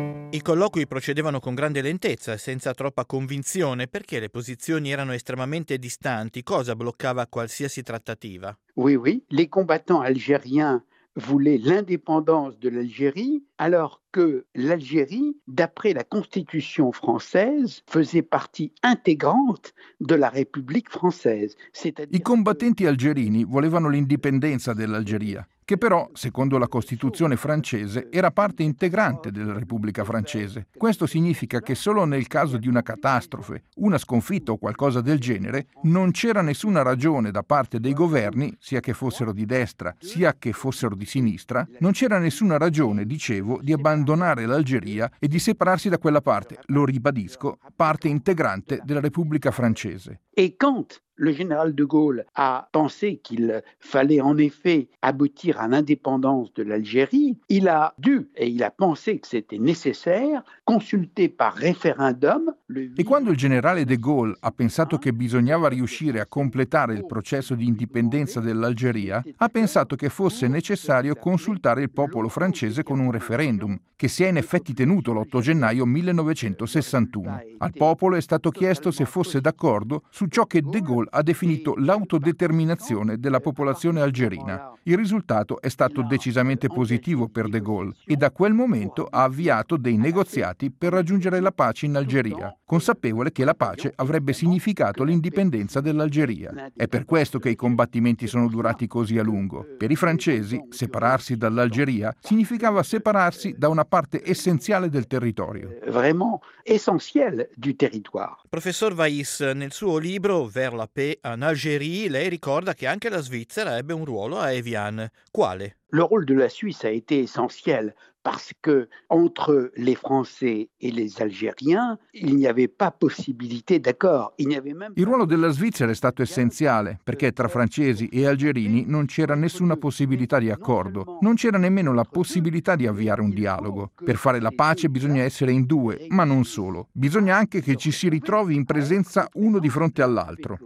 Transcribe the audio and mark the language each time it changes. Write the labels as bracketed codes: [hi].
[it] I colloqui procedevano con grande lentezza, senza troppa convinzione, perché le posizioni erano estremamente distanti. Cosa bloccava qualsiasi trattativa? [fr] Oui, oui, les combattants algériens voulaient l'indépendance de l'Algérie, alors que l'Algérie, d'après la Constitution française, faisait partie intégrante de la République française. [it] I combattenti algerini volevano l'indipendenza dell'Algeria, che però, secondo la Costituzione francese, era parte integrante della Repubblica francese. Questo significa che solo nel caso di una catastrofe, una sconfitta o qualcosa del genere, non c'era nessuna ragione da parte dei governi, sia che fossero di destra, sia che fossero di sinistra, non c'era nessuna ragione, dicevo, di abbandonare l'Algeria e di separarsi da quella parte, lo ribadisco, parte integrante della Repubblica francese. [fr] E quand le général de Gaulle a pensé qu'il fallait en effet aboutir à l'indépendance de l'Algérie, il a dû, et il a pensé que c'était nécessaire, consulter par référendum. [it] E quando il generale de Gaulle ha pensato che bisognava riuscire a completare il processo di indipendenza dell'Algeria, ha pensato che fosse necessario consultare il popolo francese con un referendum, che si è in effetti tenuto l'8 gennaio 1961. Al popolo è stato chiesto se fosse d'accordo su ciò che de Gaulle ha definito l'autodeterminazione della popolazione algerina. Il risultato è stato decisamente positivo per de Gaulle e da quel momento ha avviato dei negoziati per raggiungere la pace in Algeria, consapevole che la pace avrebbe significato l'indipendenza dell'Algeria. È per questo che i combattimenti sono durati così a lungo. Per i francesi, separarsi dall'Algeria significava separarsi da una parte essenziale del territorio. [fr] Vraiment essentielle du territoire. [it] Professor Vaïs, nel suo libro Vers la paix en Algérie, lei ricorda che anche la Svizzera ebbe un ruolo a Evian. Quale? [fr] Le rôle de la Suisse a été essentiel parce que entre les Français et les Algériens, il n'y avait pas possibilité d'accord. [it] Il ruolo della Svizzera è stato essenziale perché tra francesi e algerini non c'era nessuna possibilità di accordo. Non c'era nemmeno la possibilità di avviare un dialogo. Per fare la pace bisogna essere in due, ma non solo. Bisogna anche che ci si ritrovi in presenza uno di fronte all'altro.